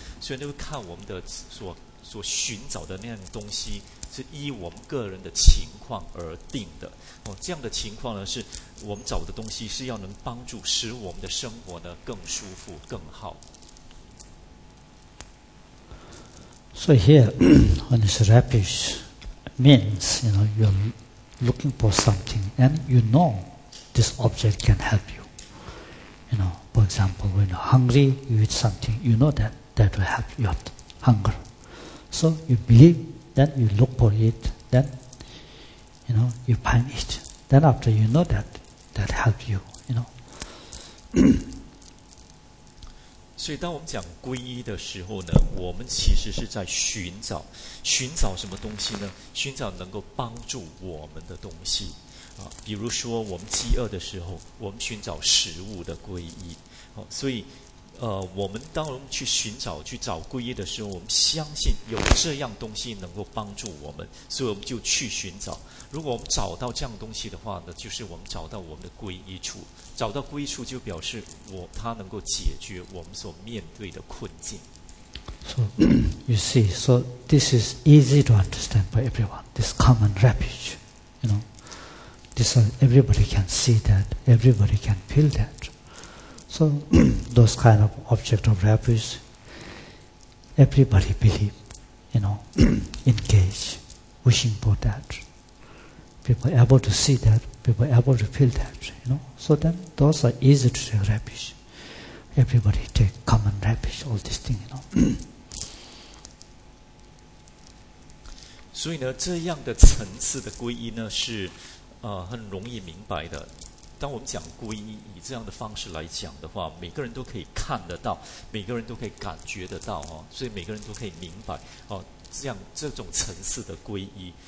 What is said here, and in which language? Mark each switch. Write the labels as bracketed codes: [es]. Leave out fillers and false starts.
[zh] 所以就看我们的所寻找的那样东西是依我们个人的情况而定的。这样的情况呢，是我们找的东西是要能帮助使我们的生活呢更舒服更好。 [en] So here, when it's rubbish, means you know you're looking for something and you know this object can help you. You know, for example, when you're hungry, you eat something, you know that will help your hunger. So you believe. Then you look for it, then, you know, you find it. Then after you know that, that helps you, you know. [zh] 所以当我们讲皈依的时候呢，我们其实是在寻找什么东西呢？寻找能够帮助我们的东西。比如说我们饥饿的时候，我们寻找食物的皈依。所以我们当我们去寻找去找皈依的时候，我们相信有这样东西能够帮助我们，所以我们就去寻找。如果我们找到这样东西的话呢，就是我们找到我们的皈依处。找到皈依处就表示它能够解决我们所面对的困境。 [en] So you see, so this is easy to understand by everyone, this common refuge, you know, this everybody can see that, everybody can feel thatSo, those kind of object of refuge, everybody believe, you know, engage, wishing for that. People able to see that, people able to feel that, you know. So then, those are easy to take refuge. Everybody take common refuge, all these things, you know. [zh] 所以呢，这样的层次的皈依呢，是很容易明白的。当我们讲皈依，以这样的方式来讲的话，每个人都可以看得到，每个人都可以感觉得到，所以每个人都可以明白，这种层次的皈依。